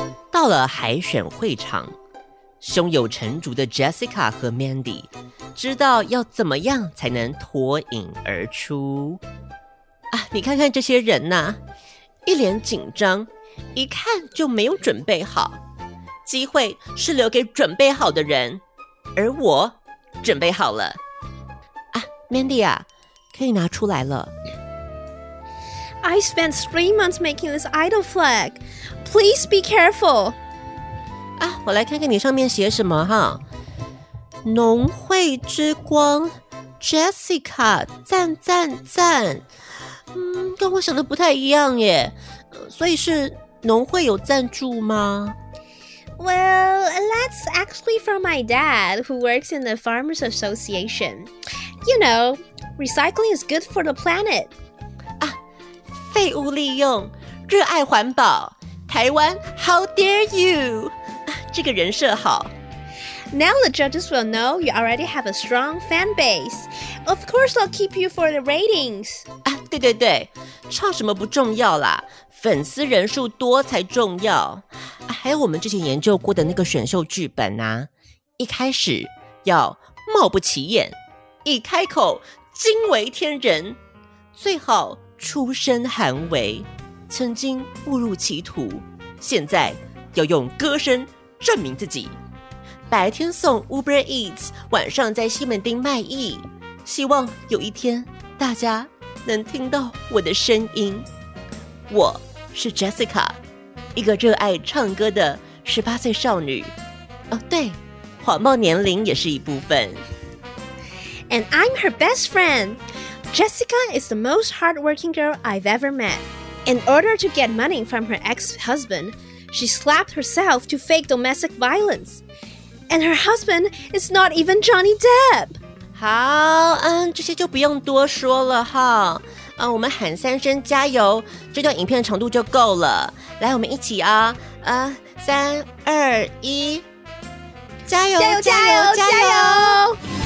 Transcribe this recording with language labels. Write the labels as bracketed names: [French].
[Chinese] 到了海选会场，胸有成竹的 Jessica 和 Mandy 知道要怎么样才能脱颖而出啊！你看看这些人呐、啊，一脸紧张，一看就没有准备好。机会是留给准备好的人，而我准备好了啊 ，Mandy 啊，可以拿出来了。 [English] I spent 3 months making this idol flag. Please be careful. [Chinese] 啊，我来看看你上面写什么哈。农会之光 ，Jessica， 赞赞赞。嗯，跟我想的不太一样耶。所以是农会有赞助吗？ [English] Well, that's actually from my dad, who works in the Farmers Association. You know, recycling is good for the planet. [Chinese] 啊，废物利用，热爱环保，台湾 ， [English] How dare you！ [Chinese] 这个人设好。 [English] Now the judges will know you already have a strong fan base. Of course, they'll keep you for the ratings. [Chinese] 啊，对对对，唱什么不重要啦。粉丝人数多才重要，还有我们之前研究过的那个选秀剧本啊，一开始要貌不起眼，一开口惊为天人，最好出身寒微，曾经误入歧途，现在要用歌声证明自己。白天送 Uber Eats， 晚上在西门町卖艺，希望有一天大家能听到我的声音。我是 Jessica， 一个热爱唱歌的18岁少女。哦，对，谎报年龄也是一部分。 [English] And I'm her best friend. Jessica is the most hardworking girl I've ever met. In order to get money from her ex-husband, she slapped herself to fake domestic violence. And her husband is not even Johnny Depp. [Chinese] 好，嗯，这些就不用多说了哈。啊，我们喊三声加油，这段影片的长度就够了。来，我们一起啊，三二一，加油，加油，加油，加油！